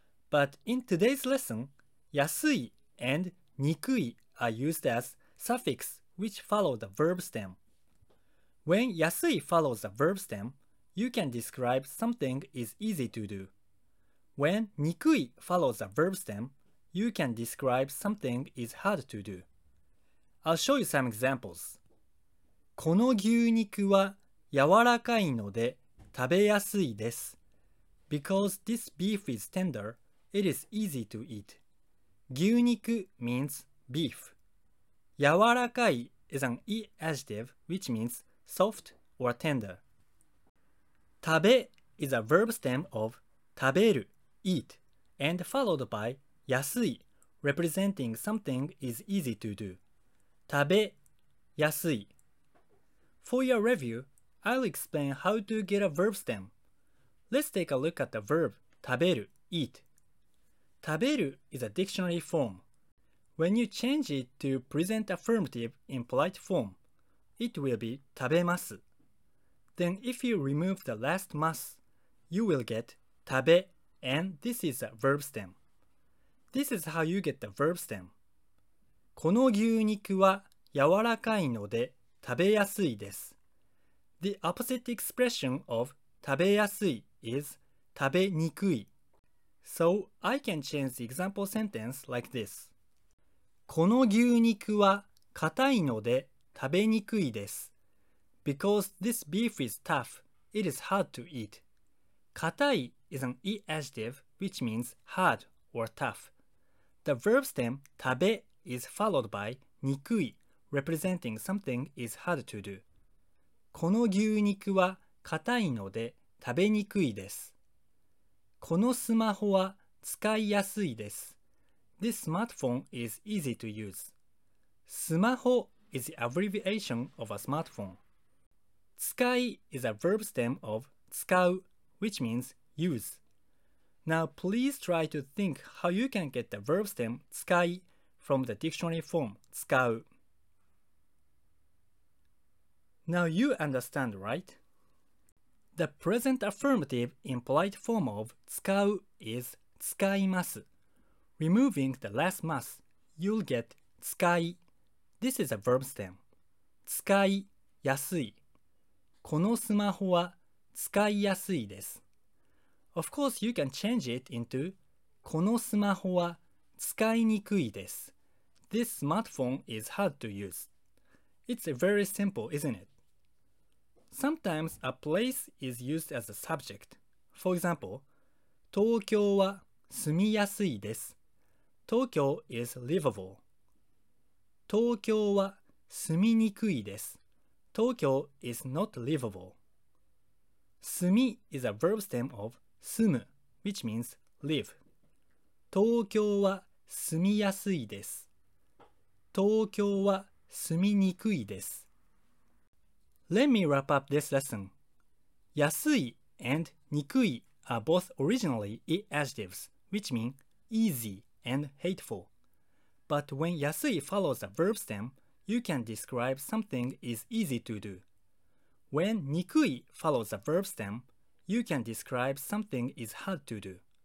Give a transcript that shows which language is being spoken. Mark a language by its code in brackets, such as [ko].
[en] But in today's lesson, 安い and 憎い are used as suffix which follow the verb stem. When 安い follows the verb stem, you can describe something is easy to do. When 憎い follows the verb stem, you can describe something is hard to do. I'll show you some examples. [ja] この牛肉は柔らかいので食べやすいです。 [en] Because this beef is tender, it is easy to eat. 牛肉 means beef. 柔らかい is an e adjective which means soft or tender. 食べ is a verb stem of 食べる, eat, and followed by 安い, representing something is easy to do. [ja] 食べ, 安い. [en] For your review, I'll explain how to get a verb stem. Let's take a look at the verb 食べる, eat. 食べる is a dictionary form. When you change it to present affirmative in polite form,it will be 食べます. Then if you remove the last ます, you will get 食べ, and this is a verb stem. This is how you get the verb stem. [ja] この牛肉は柔らかいので食べやすいです. [en] The opposite expression of 食べやすい is 食べにくい. So I can change the example sentence like this. [ja] この牛肉は硬いので食べにくいです。 [en] Because this beef is tough, it is hard to eat. 硬い is an e adjective which means hard or tough. The verb stem 食べ is followed by にくい, representing something is hard to do. [ja] この牛肉は硬いので食べにくいです。このスマホは使いやすいです。 [en] This smartphone is easy to use. スマホis the abbreviation of a smartphone. 使い is a verb stem of 使う, which means use. Now please try to think how you can get the verb stem 使い from the dictionary form 使う. Now you understand, right? The present affirmative in polite form of 使う is 使います. Removing the last ます, you'll get 使い. This is a verb stem. [ja] 使いやすい。このスマホは使いやすいです。 [en] Of course, you can change it into [ja] このスマホは使いにくいです。 [en] This smartphone is hard to use. It's very simple, isn't it? Sometimes a place is used as a subject. For example, [ja] 東京は住みやすいです。 [en] Tokyo is livable. [ja] 東京は住みにくいです。 [en] 東京 is not livable. 住み is a verb stem of 住む, which means live. [ja] 東京は住みやすいです。東京は住みにくいです。 [en] Let me wrap up this lesson. 安い and にくい are both originally e adjectives, which mean easy and hateful. But when 安い follows the verb stem, you can describe something is easy to do. When 憎い follows the verb stem, you can describe something is hard to do.